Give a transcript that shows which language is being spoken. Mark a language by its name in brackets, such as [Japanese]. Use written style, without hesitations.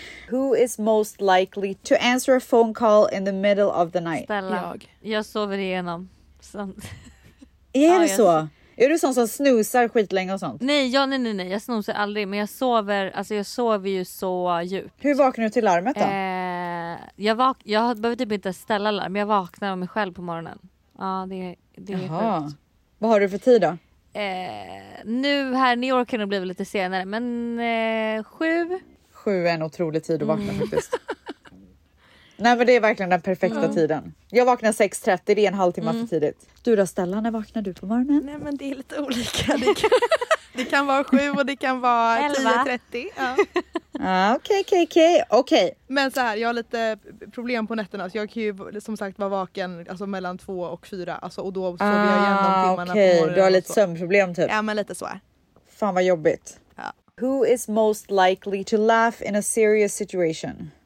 [English] Who is most likely to answer a phone call in the middle of the night? [Swedish] Stella. Jag sover igenom. Är det så? Är du sån som snusar skitlänge och sånt? Nej, jag snusar aldrig. Men jag sover, alltså jag sover ju så djupt. Hur vaknar du till larmet då? Jag behöver typ inte ställa larm. Jag vaknar av mig själv på morgonen. Ja, det är sjukt. Vad har du för tid då? Nu här i New York kan det bli lite senare. Men 7... Sju är en otrolig tid att vakna faktiskt. Nej, men det är verkligen den perfekta tiden. Jag vaknar 6:30, det är en halvtimme för tidigt. Du då, Stella, när vaknar du på morgonen? Nej, men det är lite olika. Det kan vara 7 och det kan vara 10:30. Okej. Men så här, jag har lite problem på nätterna. Så jag kan ju som sagt vara vaken alltså, mellan 2 och 4. Alltså, och då sover jag igen de timmarna på morgonen. Okej, du har lite sömnproblem typ. Ja, men lite så. Fan vad jobbigt. [English] Who is most likely to laugh in a serious situation?